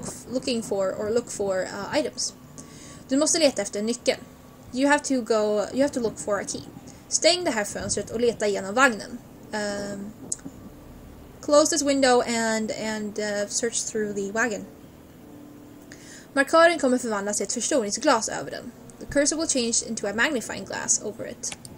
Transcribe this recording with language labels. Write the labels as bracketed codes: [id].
[en] Looking for items. [sv] Du måste leta efter nyckeln. [en] You have to look for a key. [sv] Stäng det här fönstret och leta igenom vagnen. [en] Close this window and search through the wagon. [sv] Markören kommer förvandlas till ett förstoringsglas över den. [en] The cursor will change into a magnifying glass over it.